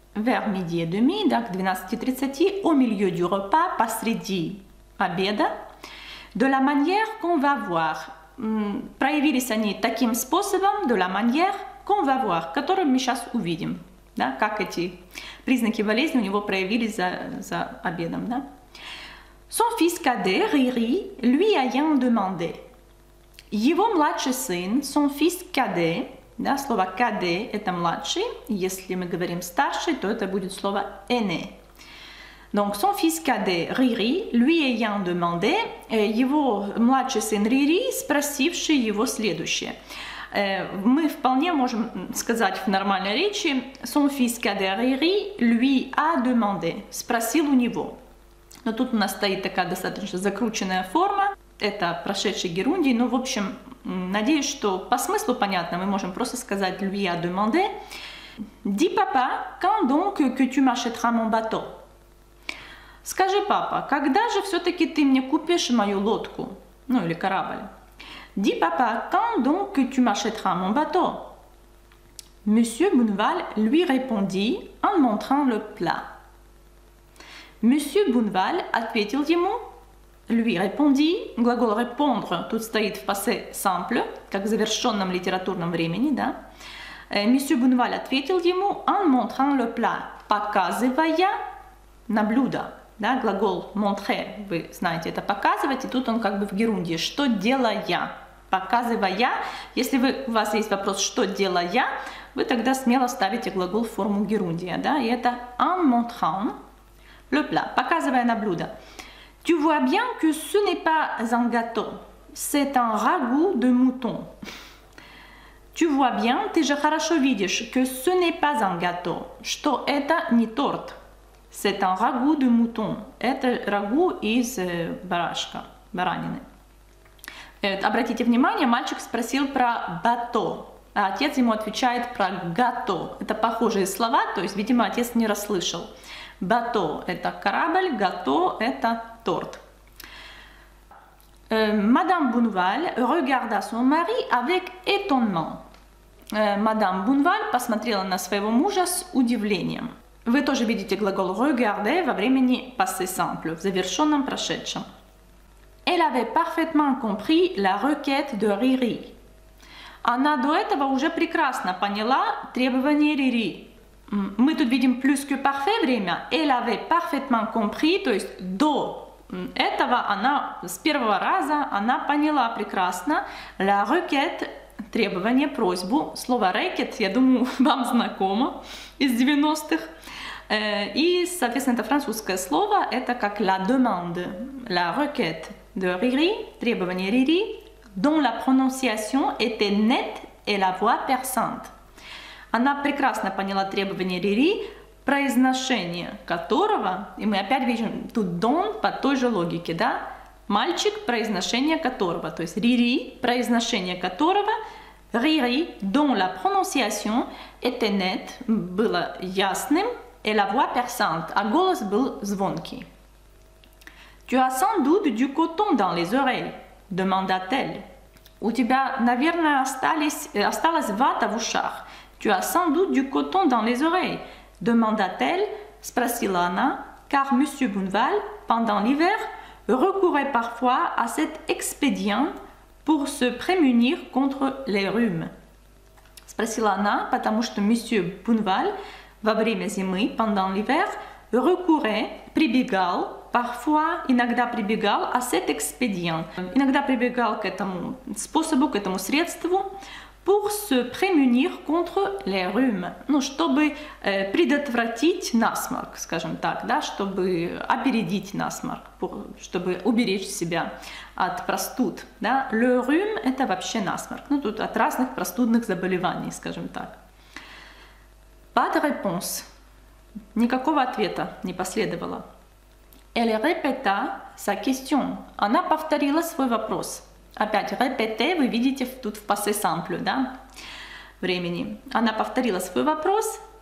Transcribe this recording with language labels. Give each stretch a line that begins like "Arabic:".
French: Vers midi et demi,
Russian: да, к 12:30,
French: au milieu du repas,
Russian: посреди обеда.
French: De la manière qu'on va voir.
Russian: Проявились они таким способом,
French: de la manière qu'on va voir,
Russian: который мы сейчас увидим, да, как эти признаки болезни у него проявились за обедом, да.
French: Son fils cadet, Riri, lui ayant demandé.
Russian: Его младший сын,
French: son fils cadet,
Russian: да, слово cadet это младший, если мы говорим старший, то это будет слово aîné.
French: Donc son fils cadet, Riri, lui ayant demandé,
Russian: его младший сын Riri, спросивший его следующее. Мы вполне можем сказать в нормальной речи
French: «Son fils cadet Riri lui a demandé»
Russian: – спросил у него. Но тут у нас стоит такая достаточно закрученная форма. Это прошедший герундий. Ну, в общем, надеюсь, что по смыслу понятно. Мы можем просто сказать
French: «lui a demandé». «Dis, papa, quand donc que tu m'achèteras mon bateau?»
Russian: «Скажи, папа, когда же все-таки ты мне купишь мою лодку?» Ну, или корабль.
French: Dis papa, quand donc que tu m'achèteras mon bateau? Monsieur Bounval lui répondit en montrant le plat.
Russian: Monsieur Bounval ответил ему,
French: lui répondit,
Russian: глагол répondre тут стоит в passé simple, как в завершенном литературном времени, да? Monsieur Bounval ответил ему
French: en montrant le plat,
Russian: показывая на блюдо. Да, глагол montrer, вы знаете, это показывать, и тут он как бы в герундии, что делая? Показывая, если у вас есть вопрос, что делая, вы тогда смело ставите глагол в форму герундия, да, и это
French: en montrant le plat,
Russian: показывая на блюдо.
French: Tu vois bien que ce n'est pas un gâteau, c'est un ragoût de mouton. Tu vois bien,
Russian: ты же хорошо видишь,
French: que ce n'est pas un gâteau,
Russian: что это не торт.
French: C'est un ragoût de mouton,
Russian: это рагу из барашка, баранины. Обратите внимание, мальчик спросил про бато, а отец ему отвечает про гато. Это похожие слова, то есть, видимо, отец не расслышал. Бато – это корабль, гато – это торт.
French: Мадам Бунваль regarda son mari avec étonnement.
Russian: Мадам Бунваль посмотрела на своего мужа с удивлением. Вы тоже видите глагол regarder во времени passé simple, в завершенном прошедшем.
French: Elle avait parfaitement compris la requête de Riri.
Russian: Она до этого уже прекрасно поняла требование Riri. Мы тут видим plus que parfait время.
French: Elle avait parfaitement compris,
Russian: то есть до этого она с первого раза она поняла прекрасно la requête, требование, просьбу. Слово «рэкет», я думаю, вам знакомо из 90-х. И, соответственно, это французское слово, это как
French: «la demande», «la requête de Riri»,
Russian: требование Riri,
French: «dont la prononciation était nette et la voix perçante».
Russian: Она прекрасно поняла требование Riri, произношение которого, и мы опять видим тут «don» по той же логике, да? Мальчик, произношение которого, то есть Riri, произношение которого, Riri,
French: dont la prononciation était nette,
Russian: было ясным,
French: et la voix perçante,
Russian: а голос был звонкий.
French: Tu as sans doute du coton dans les oreilles, demanda-t-elle.
Russian: У тебя, наверное, осталась вата в ушах.
French: Tu as sans doute du coton dans les oreilles, demanda-t-elle,
Russian: спросила она,
French: car monsieur Bonneval, pendant l'hiver, recourait parfois à cet expédient pour se prémunir contre les rhumes.
Russian: Спросила она, потому что monsieur Bonneval, во время зимы,
French: pendant l'hiver,
Russian: recourait, прибегал, parfois, иногда прибегал,
French: à cet expédient,
Russian: иногда прибегал к этому способу, к этому средству,
French: pour se prémunir contre les rhumes,
Russian: ну, чтобы предотвратить насморк, скажем так, да, чтобы опередить насморк, чтобы уберечь себя от простуд, да. Le rhume – это вообще насморк, ну, тут от разных простудных заболеваний, скажем так.
French: Pas de réponse.
Russian: Никакого ответа не последовало.
French: Elle répéta sa question.
Russian: Она повторила свой вопрос. Опять répéter, вы видите тут в passé simple, да, времени. Она повторила свой вопрос.